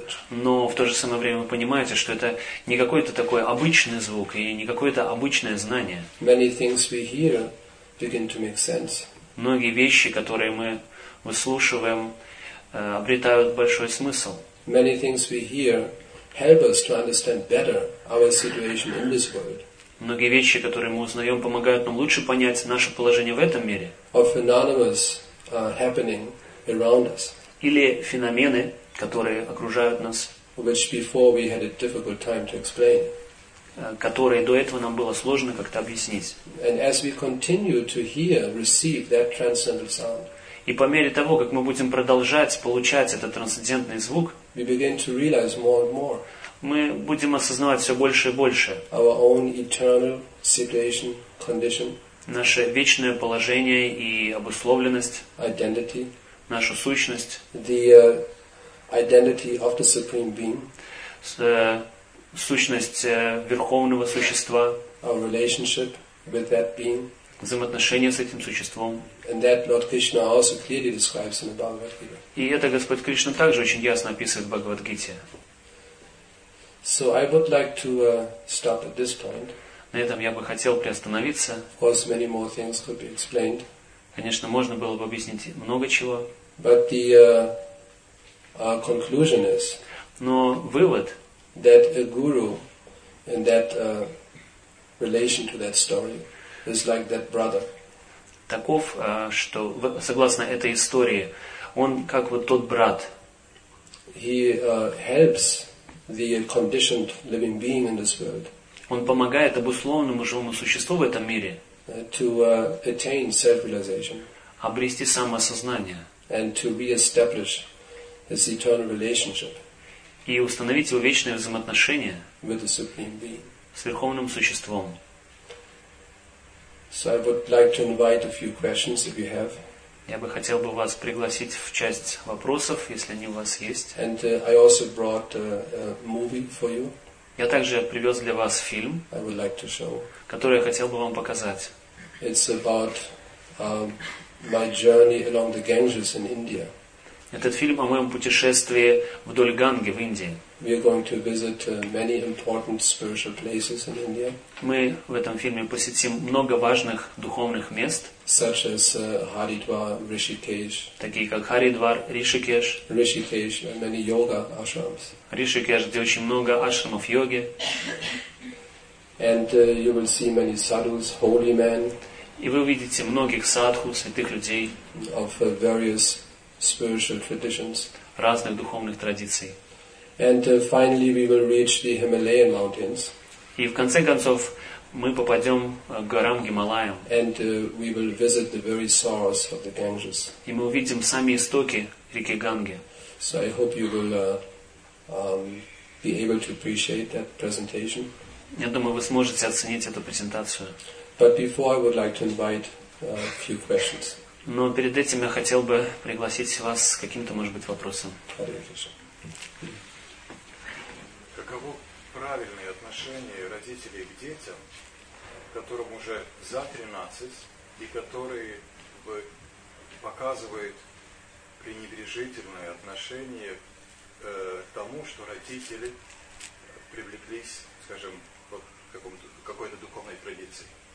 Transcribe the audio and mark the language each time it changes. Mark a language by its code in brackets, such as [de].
[ru] Но в то же самое время вы понимаете, что это не какой-то такой обычный звук и не какое-то обычное знание. [en] Many things we hear begin to make sense. [ru] Многие вещи, которые мы выслушиваем, обретают большой смысл. [en] Many things we hear help us to understand better our situation in this world. [ru] Многие вещи, которые мы узнаем, помогают нам лучше понять наше положение в этом мире. [en] Of anonymous happening around us. [ru] Или феномены, которые окружают нас, [en] which before we had a difficult time to explain. [ru] Которые до этого нам было сложно как-то объяснить. [en] And as we continue to hear, receive that transcendental sound. [ru] И по мере того, как мы будем продолжать получать этот трансцендентный звук, [en] we begin to realize more and more. [ru] Мы будем осознавать все больше и больше [en] our own eternal situation, condition, [ru] наше вечное положение и обусловленность, [en] identity, [ru] нашу сущность, [en] the identity of the supreme being, [ru] сущность верховного существа, [en] our relationship with that being, [ru] взаимоотношения с этим существом. [en] And that Lord Krishna also clearly describes in the Bhagavad Gita. [ru] И это Господь Кришна также очень ясно описывает в Бхагавад-гите. [en] So I would like to stop at this point. [ru] На этом я бы хотел приостановиться. [en] Also many more things could be explained. [ru] Конечно, можно было бы объяснить много чего. [en] But the conclusion is. [ru] Но вывод. [en] That a guru in that relation to that story is like that brother. [ru] Таков, что согласно этой истории, он как вот тот брат. [en] He helps the conditioned living being in this world. [ru] Он помогает обусловленному живому существу в этом мире. [en] To attain self-realization. [ru] Обрести самосознание. [en] And to re-establish his eternal relationship. [ru] И установить его вечное взаимоотношение [en] with the supreme being. [ru] С верховным существом. [en] So I would like to invite a few questions if you have. [ru] Я бы хотел бы вас пригласить в часть вопросов, если они у вас есть. [en] And I also brought a movie for you. [ru] Я также привез для вас фильм, [en] I would like to show. [ru] Который я хотел бы вам показать. [en] It's about my journey along the Ganges in India. [ru] Этот фильм о моем путешествии вдоль Ганги в Индии. [en] We are going to visit many important spiritual places in India. [ru] Мы в этом фильме посетим много важных духовных мест, [en] such as Haridwar, Rishikesh. [ru] Такие как Харидвар, Ришикеш. [en] Rishikesh, and many yoga ashrams. [ru] Ришикеш, где очень много ашрамов йоги. [en] And you will see many sadhus, holy men. [ru] И вы увидите многих садху, святых людей. [en] Of various spiritual traditions. [ru] Разных духовных традиций. [en] And finally, we will reach the Himalayan mountains. [ru] И в конце концов мы попадем к горам Гималаям. [en] And we will visit the very source of the Ganges. [ru] И мы увидим сами истоки реки Ганги. [en] So I hope you will be able to appreciate that presentation. [ru] Я думаю, вы сможете оценить эту презентацию. [en] But before, I would like to invite a few questions. [ru] Но перед этим я хотел бы пригласить вас с каким-то, может быть, вопросом. Каково правильное отношение родителей к детям, которым уже за 13, и которые показывают пренебрежительное отношение к тому, что родители привлеклись, скажем, к какой-то духовной традиции?